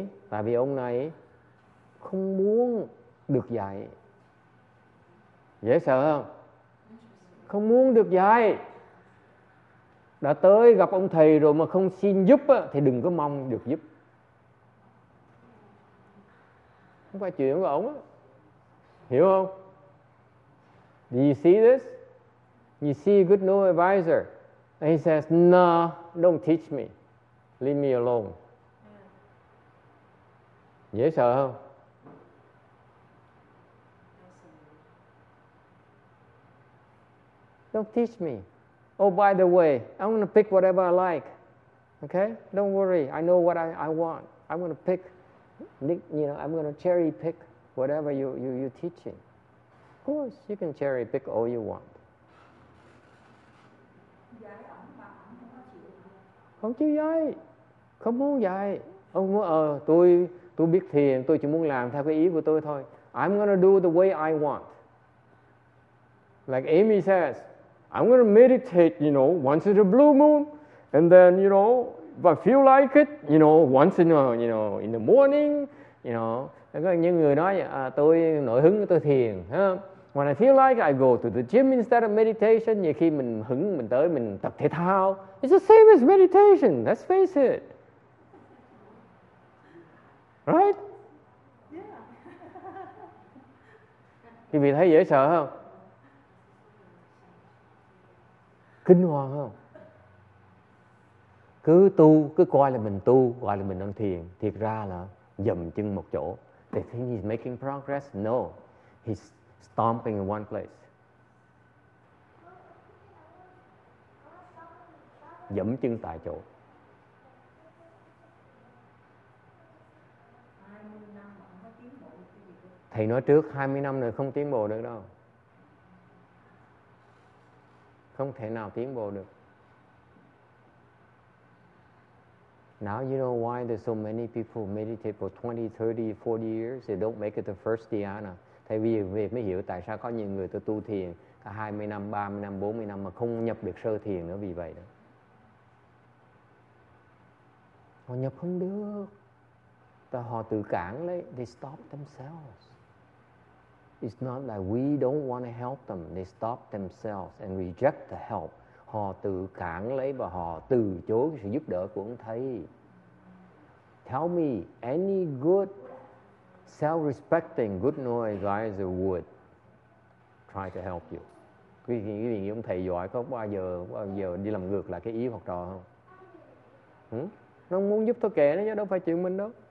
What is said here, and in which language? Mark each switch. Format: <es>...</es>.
<vi>Tại vì ông này không muốn được dạy. Dễ sợ không? Không muốn được dạy. Đã tới gặp ông thầy rồi mà không xin giúp á, thì đừng có mong được giúp. Không phải chuyện của ông á. Hiểu không?</vi> <en>Do you see this? You see a good new advisor, and he says, "No, don't teach me. Leave me alone."</en> <vi>Dễ sợ không?</vi> <en>Don't teach me. Oh, by the way, I'm going to pick whatever I like. Okay? Don't worry. I know what I want. I'm going to pick, I'm going to cherry pick whatever you're teaching. Of course, you can cherry pick all you want.</en> <vi>Không chịu dạy, không muốn dạy. Ông muốn, tôi biết thiền, tôi chỉ muốn làm theo cái ý của tôi thôi.</vi> <en>I'm gonna do the way I want. Like Amy says, I'm gonna meditate, once in a blue moon, and then, if I feel like it, once in a, in the morning,</en> <vi>Có những người nói, tôi nổi hứng, tôi thiền, ha.</vi> <en>When I feel like I go to the gym instead of meditation,</en> <vi>nhiều khi mình hứng, mình tới, mình tập thể thao.</vi> <en>It's the same as meditation, let's face it. Right? Yeah.</en> <vi>Quý vị thấy dễ sợ không? Kinh hoàng không? Cứ tu, cứ coi là mình tu, coi là mình đang thiền. Thiệt ra là dầm chân một chỗ.</vi> <en>They think he's making progress? No. He's stomping in one place.</en> <vi>Dẫm chân tại chỗ. Thầy nói trước 20 năm rồi không tiến bộ được đâu. Không thể nào tiến bộ được.</vi> <en>Now you know why there's so many people meditate for 20, 30, 40 years, they don't make it the first dhyana.</en> <vi>Thầy vì vậy mới hiểu tại sao có nhiều người tu thiền cả 20 năm, 30 năm, 40 năm mà không nhập được sơ thiền nữa vì vậy đó. Họ nhập không được. Tại họ tự cản lấy.</vi> <en>They stop themselves. It's not that we don't want to help them. They stop themselves and reject the help.</en> <vi>Họ tự cản lấy và họ từ chối cái sự giúp đỡ của ông thầy.</vi> <en>Tell me, any good, self-respecting, good noise guys would try to help you.</en> <vi>Quý vị nghĩ ông thầy giỏi có bao giờ đi làm ngược lại cái ý học trò không? Nó muốn giúp thôi kệ nó chứ đâu phải chuyện mình đâu.</vi>